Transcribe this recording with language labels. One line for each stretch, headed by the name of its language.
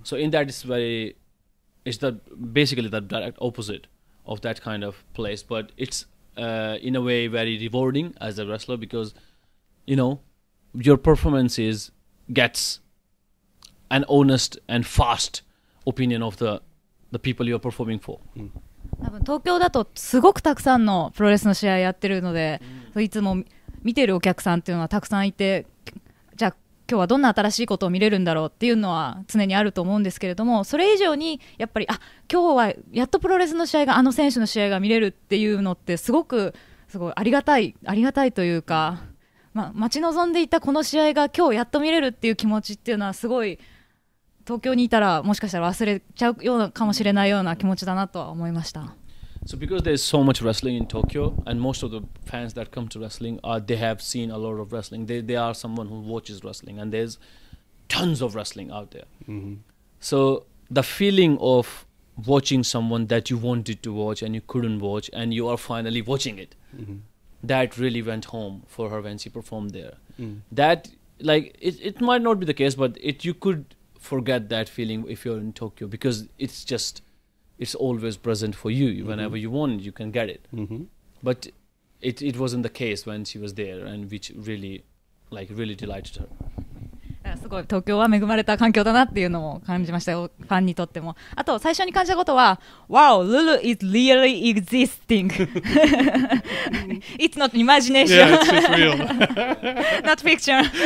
English: So in that, it's the basically the direct opposite of that kind of place. But it's in a way very rewarding as a wrestler because, you know, your performances gets an honest and fast opinion of the people you're performing for.
Japanese: 多分東京だとすごくたくさんのプロレスの試合やってるので、mm. いつも見てるお客さんっていうのはたくさんいて、じゃあ今日はどんな新しいことを見れるんだろうっていうのは常にあると思うんですけれども、それ以上にやっぱり、あ、今日はやっとプロレスの試合があの選手の試合が見れるっていうのってすごいありがたいというか、まあ、待ち望んでいたこの試合が今日やっと見れるっていう気持ちっていうのはすごい東京にいたらもしかしたら忘れちゃうようなかもしれないような気持ちだなとは思いました。
English: So because there's so much wrestling in Tokyo and most of the fans that come to wrestling they have seen a lot of wrestling. They are someone who watches wrestling and there's tons of wrestling out there. Mm-hmm. So the feeling of watching someone that you wanted to watch and you couldn't watch, and you are finally watching it. Mm-hmm. That really went home for her when she performed there. Mm. That, like, it might not be the case, but it you could forget that feeling if you're in Tokyo, because it's just, it's always present for you. Mm-hmm. Whenever you want it, you can get it. Mm-hmm. But it wasn't the case when she was there, and which really, like, really delighted her.
Japanese: すごい東京は恵まれた環境だなっていうのも感じましたよ、ファンにとっても。あと最初に感じたことは
English: Wow, Lulu is really existing. It's not imagination. Yeah, it's just real. Not fiction.